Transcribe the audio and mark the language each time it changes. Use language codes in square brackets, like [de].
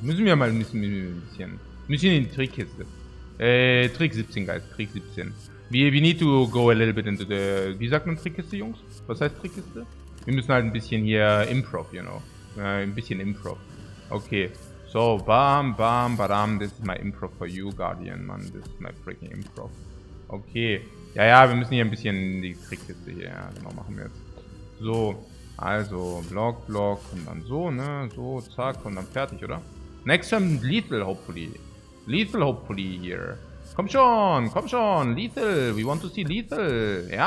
[de] Müssen wir mal ein bisschen in die Trickkiste. Trick 17, guys. Trick 17. [en] We need to go a little bit into the... [de] Wie sagt man Trickkiste, Jungs? Was heißt Trickkiste? Wir müssen halt ein bisschen hier [en] improv, you know. [de] Ein bisschen improv. Okay. So, bam, bam, badam. [en] This is my improv for you, Guardian, man. This is my freaking improv. Okay. [de] Ja, ja, wir müssen hier ein bisschen in die Trickkiste hier. Ja, genau, machen wir jetzt. So. Also, Block und dann so, ne, so, zack, und dann fertig, oder? [en] Next time, Lethal, hopefully, here. [de] Komm schon, [en] Lethal, we want to see Lethal.